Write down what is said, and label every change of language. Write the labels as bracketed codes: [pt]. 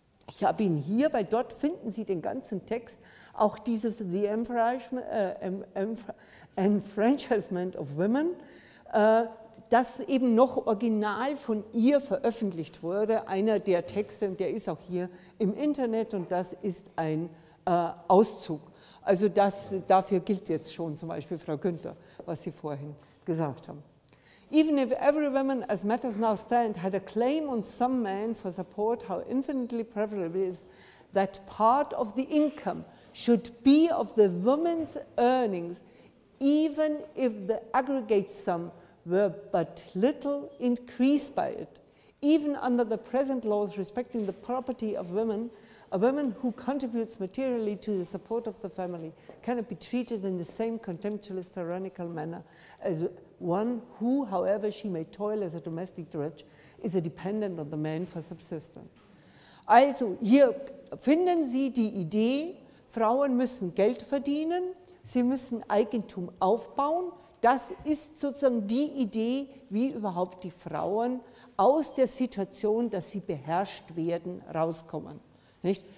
[de] Ich habe ihn hier, weil dort finden Sie den ganzen Text, auch dieses The Enfranchisement of Women, das eben noch original von ihr veröffentlicht wurde, einer der Texte, der ist auch hier im Internet und das ist ein Auszug. Also das, dafür gilt jetzt schon zum Beispiel Frau Günther, was Sie vorhin gesagt haben. [en] Even if every woman, as matters now stand, had a claim on some man for support, how infinitely preferable is that part of the income should be of the woman's earnings, even if the aggregate sum were but little increased by it. Even under the present laws respecting the property of women, a woman who contributes materially to the support of the family cannot be treated in the same contemptuous, tyrannical manner as one who, however she may toil as a domestic drudge, is a dependent on the man for subsistence. [de] Also, hier finden Sie die Idee, Frauen müssen Geld verdienen, sie müssen Eigentum aufbauen. Das ist sozusagen die Idee, wie überhaupt die Frauen aus der Situation, dass sie beherrscht werden, rauskommen. Nicht?